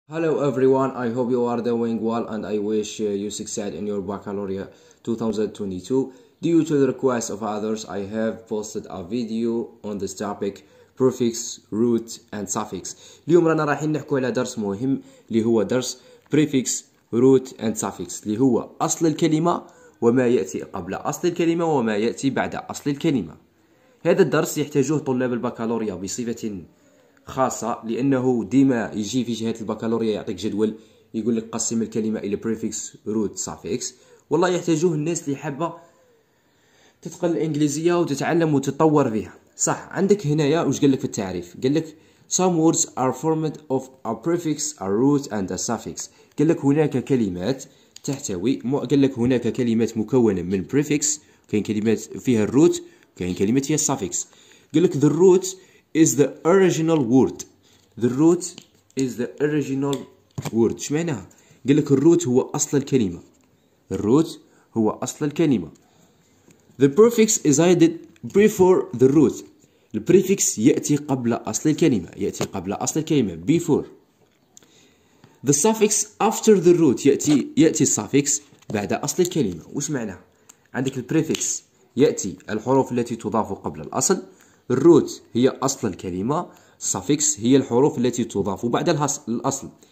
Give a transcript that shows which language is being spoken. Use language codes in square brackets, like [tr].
[en] Hello everyone, I hope you are doing well and I wish you succeed in your baccalaureate 2022. Due to the request of others, I have posted a video on this topic, prefix, root and suffix. [ar] اليوم رانا رايحين نحكوا على درس مهم اللي هو درس [en] prefix, root and suffix [ar] اللي هو اصل الكلمه وما ياتي قبل اصل الكلمه وما ياتي بعد اصل الكلمه. هذا الدرس يحتاجه طلاب البكالوريا بصفه خاصة لأنه ديما يجي في جهة البكالوريا يعطيك جدول يقول لك قسم الكلمة إلى [en] prefix, root, suffix. [ar] والله يحتاجوه الناس اللي حابة تتقن الإنجليزية وتتعلم وتتطور فيها. صح، عندك هنايا وش قال لك في التعريف؟ قال لك [en] some words are formed of a prefix, a root and a suffix. [ar] قال لك هناك كلمات تحتوي، قال لك هناك كلمات مكونة من prefix، كاين كلمات فيها الروت كاين كلمات فيها suffix. قال لك [en] the root is the original word. The root is the original word. [ar] اش معناها؟ قال لك الروت هو اصل الكلمه. الروت هو اصل الكلمه. [en] The prefix is added before the root. [ar] البريفيكس ياتي قبل اصل الكلمه، ياتي قبل اصل الكلمه [en] before. The suffix after the root، [ar] ياتي suffix بعد اصل الكلمه. واش معناها؟ عندك البريفيكس ياتي الحروف التي تضاف قبل الاصل، الروت هي اصل الكلمه، سافيكس هي الحروف التي تضاف بعد الاصل.